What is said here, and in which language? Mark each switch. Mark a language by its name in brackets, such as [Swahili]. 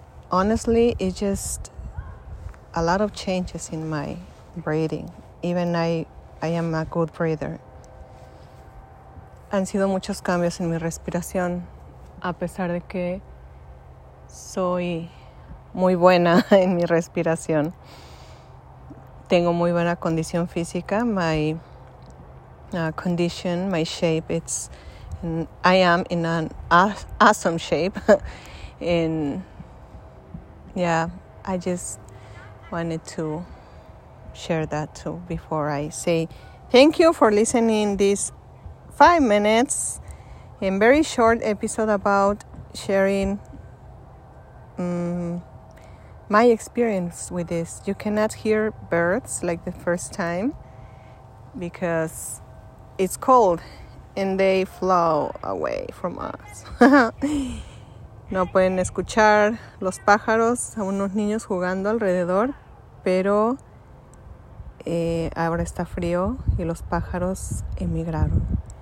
[English] Honestly, it's just a lot of changes in my breathing. Even I am a good breather. [Spanish] Han sido muchos cambios en mi respiración, a pesar de que soy muy buena en mi respiración. Tengo muy buena condición física. [English] My condition, my shape, it's And I am in an awesome shape. And yeah, I just wanted to share that too before I say thank you for listening this 5 minutes and very short episode about sharing my experience with this. You cannot hear birds like the first time because it's cold and they flow away from us. [Spanish] No pueden escuchar los pájaros, a unos niños jugando alrededor, pero ahora está frío y los pájaros emigraron.